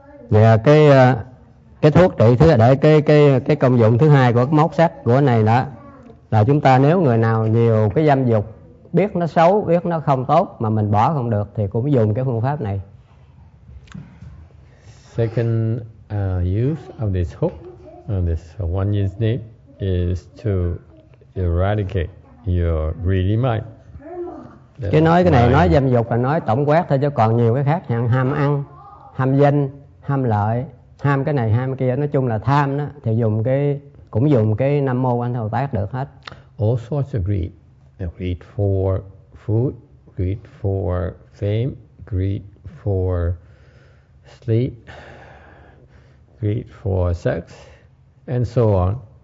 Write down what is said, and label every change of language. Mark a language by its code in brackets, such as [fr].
[vi] Và yeah, cái thuốc trị thứ để cái công dụng thứ hai của cái móc sắt của này đó là chúng ta nếu người nào nhiều cái dâm dục, biết nó xấu, biết nó không tốt mà mình bỏ không được thì cũng dùng cái phương pháp này. [en] Second use of this hook, this one year's name, is to eradicate your greedy mind. [vi] Cái nói cái này nói dâm dục là nói tổng quát thôi, chứ còn nhiều cái khác, hạn ham ăn, ham danh, ham lợi, ham cái này ham cái kia, nói chung là tham đó, thì dùng cái cũng dùng cái Nam Mô Quan Thế Âm Bồ Tát được hết. [en] All sorts of greed, greed for food, greed for fame, greed for sleep, greed for sex, and so on.